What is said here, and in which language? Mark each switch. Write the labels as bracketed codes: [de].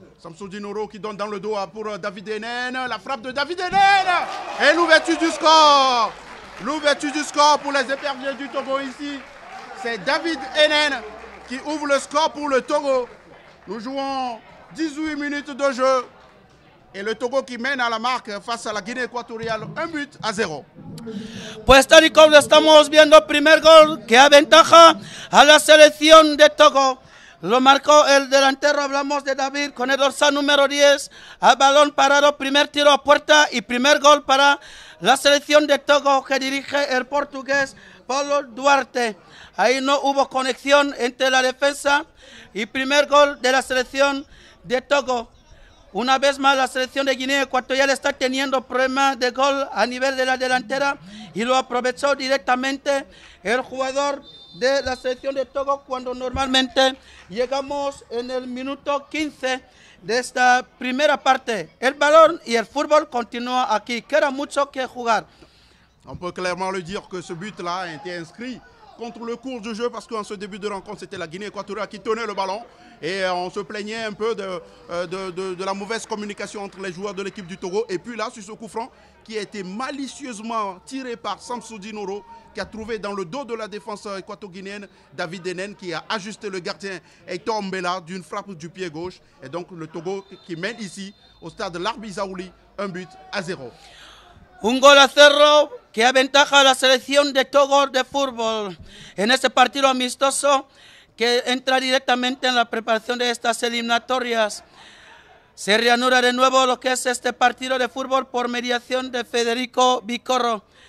[fr] Samsoudine Ouro qui donne dans le dos pour David Hénen. La frappe de David Hénen et l'ouverture du score. L'ouverture du score pour les éperviers du Togo ici. C'est David Hénen qui ouvre le score pour le Togo. Nous jouons 18 minutes de jeu et le Togo qui mène à la marque face à la Guinée équatoriale 1-0. [es] Pues tal y como estamos viendo, primer gol que aventaja a la selección de Togo. Lo marcó el delantero, hablamos de David, con el dorsal número 10. A balón parado, primer tiro a puerta y primer gol para la selección de Togo que dirige el portugués Paulo Duarte. Ahí no hubo conexión entre la defensa y primer gol de la selección de Togo. Una vez más, la selección de Guinea Ecuatorial está teniendo problemas de gol a nivel de la delantera y lo aprovechó directamente el jugador de la selección de Togo cuando normalmente llegamos en el minuto 15 de esta primera parte. El balón y el fútbol continúa aquí. Queda mucho que jugar. [fr] On peut clairement le dire que ce but-là a été inscrit contre le cours du jeu parce qu'en ce début de rencontre, c'était la Guinée Équatoriale qui tenait le ballon. Et on se plaignait un peu de la mauvaise communication entre les joueurs de l'équipe du Togo. Et puis là, sur ce coup franc qui a été malicieusement tiré par Samsoudine Ouro, qui a trouvé dans le dos de la défense équato-guinéenne David Hénen, qui a ajusté le gardien Heitor Mbella d'une frappe du pied gauche. Et donc le Togo qui mène ici au stade Larbi Zaouli, 1-0. [es] Un gol a cero que aventaja la selección de Togo de fútbol en este partido amistoso que entra directamente en la preparación de estas eliminatorias. Se reanuda de nuevo lo que es este partido de fútbol por mediación de Federico Vicorro.